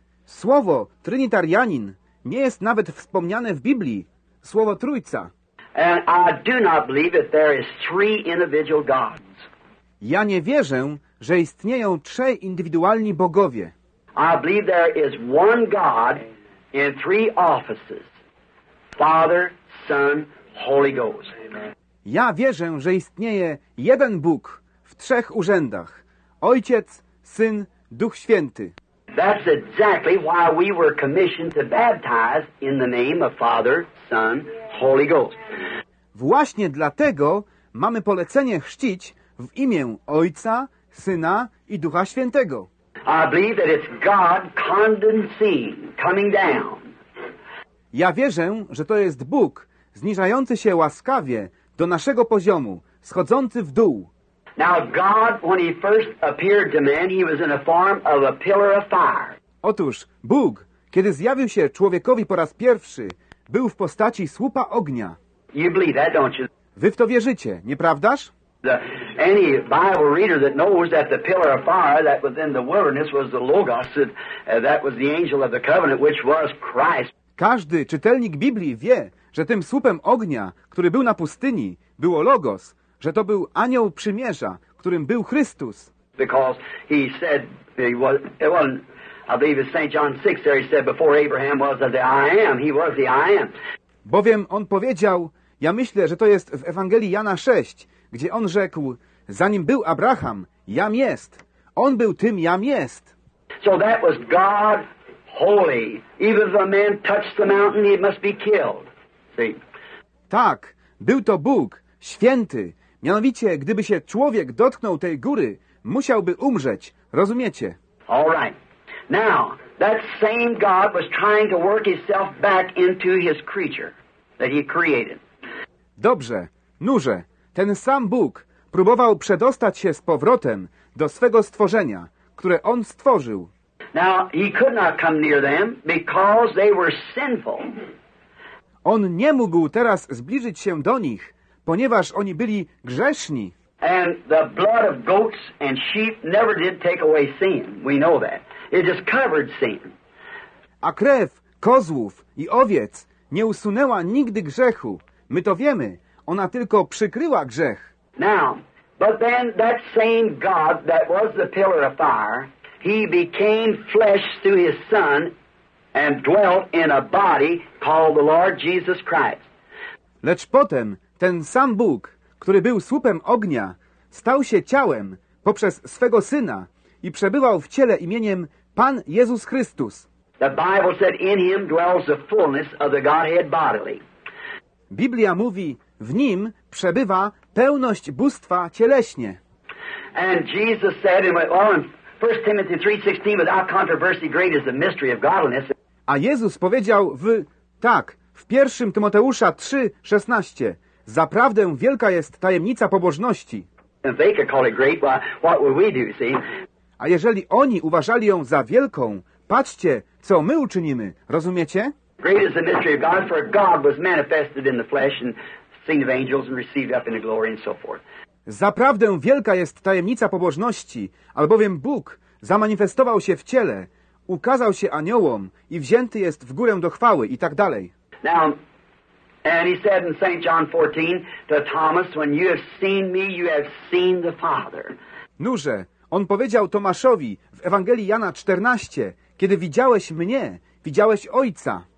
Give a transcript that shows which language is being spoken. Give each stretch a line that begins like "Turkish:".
Polish: Słowo Trinitarianin nie jest nawet wspomniane w Biblii. Słowo Trójca.
English: And I do not believe that there is three individual gods.
Polish: Ja nie wierzę, że istnieją trzej indywidualni bogowie.
English: I believe there is one God in three offices. Father, Son, Holy Ghost.
Polish: Ja wierzę, że istnieje jeden Bóg w trzech urzędach. Ojciec, Syn, Duch Święty.
English: That's exactly why we were commissioned to baptize in the name of Father, Son, Holy Ghost.
Polish: Właśnie dlatego mamy polecenie chrzcić w imię Ojca, Syna i Ducha Świętego.
English: I believe that it's God condensing, coming down.
Polish: Ja wierzę, że to jest Bóg zniżający się łaskawie do naszego poziomu, schodzący w dół.
English: Now God, when he first appeared to man, he was in the form of a pillar of fire.
Polish: Otóż Bóg, kiedy zjawił się człowiekowi po raz pierwszy, był w postaci słupa ognia.
English: You believe that, don't you?
Polish: Wy w to wierzycie, nieprawdaż?
English: Any Bible reader that knows that the pillar of fire that was in the wilderness was the Logos, that was the angel of the covenant, which was Christ.
Polish: Każdy czytelnik Biblii wie, że tym słupem ognia, który był na pustyni, było Logos, że to był anioł przymierza, którym był Chrystus.
English: Because he said, it wasn't, I believe it's St. John 6 there, he said, before Abraham was the I am, he was the I am.
Polish: Bowiem on powiedział, ja myślę, że to jest w Ewangelii Jana 6, gdzie on rzekł, zanim był Abraham, jam jest. On był tym jam jest.
English: So that was God holy. Even if a man touched the mountain, he must be killed. See?
Polish: Tak, był to Bóg, święty. Mianowicie, gdyby się człowiek dotknął tej góry, musiałby umrzeć. Rozumiecie?
English: All right. Now, that same God was trying to work himself back into his creature that he created.
Polish: Dobrze, nurze, ten sam Bóg próbował przedostać się z powrotem do swego stworzenia, które on stworzył.
English: Now, he could not come near them because they were sinful.
Polish: On nie mógł teraz zbliżyć się do nich, ponieważ oni byli grzeszni.
English: And the blood of goats and sheep never did take away sin. We know that. It just covered sin.
Polish: A krew kozłów i owiec nie usunęła nigdy grzechu. My to wiemy. Ona tylko przykryła grzech.
English: Now, but then that same God that was the pillar of fire, he became flesh through his son and dwelt in a body called the Lord Jesus Christ.
Polish: Lecz potem ten sam Bóg, który był słupem ognia, stał się ciałem poprzez swego Syna i przebywał w ciele imieniem Pan Jezus Chrystus.
English: The Bible said in him dwells the fullness of the Godhead bodily.
Polish: Biblia mówi, w nim przebywa pełność bóstwa cieleśnie.
English: And Jesus said in 1 Timothy 3:16, without controversy great is the mystery of godliness.
Polish: A Jezus powiedział w 1 Tymoteusza 3:16, zaprawdę wielka jest tajemnica pobożności.
English: And they could call it great, well, what would we do, see?
Polish: A jeżeli oni uważali ją za wielką, patrzcie, co my uczynimy, rozumiecie?
English: Great is the mystery of God, for God was manifested in the flesh and seen of angels and received up in the glory and so forth.
Polish: Zaprawdę wielka jest tajemnica pobożności, albowiem Bóg zamanifestował się w ciele, ukazał się aniołom i wzięty jest w górę do chwały i tak dalej.
English: Now, and he said in St. John 14 to Thomas, when you have seen me, you have seen the Father.
Polish: Nurze, on powiedział Tomaszowi w Ewangelii Jana 14, kiedy widziałeś mnie, widziałeś Ojca.